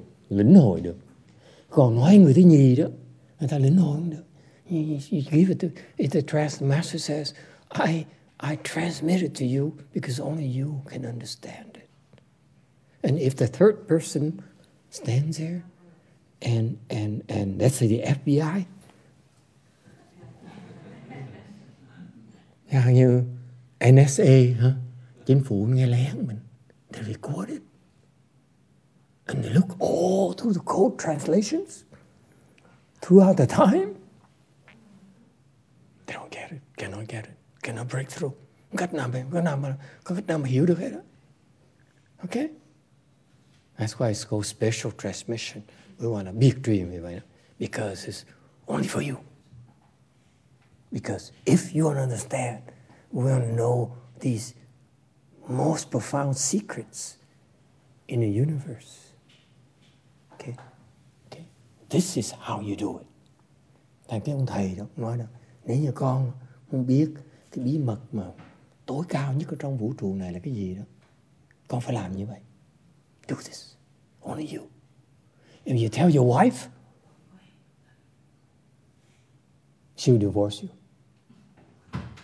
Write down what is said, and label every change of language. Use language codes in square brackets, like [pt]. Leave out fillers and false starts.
[vi] Lĩnh hội được. Còn nói người thứ nhì đó, người ta lĩnh hội không được. [en] You give it to, if the master says, I transmit it to you because only you can understand it. And if the third person stands there, and let's say the FBI, [vi] hay như [en] NSA, huh? [vi] Chính phủ nghe lén mình, [en] they record it. And they look all through the code translations throughout the time. They don't get it. Cannot get it. Cannot break through. [vi] Có cách nào mà hiểu được hết đó. [en] Okay? That's why it's called special transmission. We want a big dream. Because it's only for you. Because if you don't understand, we want to know these most profound secrets in the universe. Okay. This is how you do it. [vi] Thành cái ông thầy đó nói là nếu như con không biết cái bí mật mà tối cao nhất ở trong vũ trụ này là cái gì đó, con phải làm như vậy. [en] Do this. Only you. If you tell your wife, she will divorce you.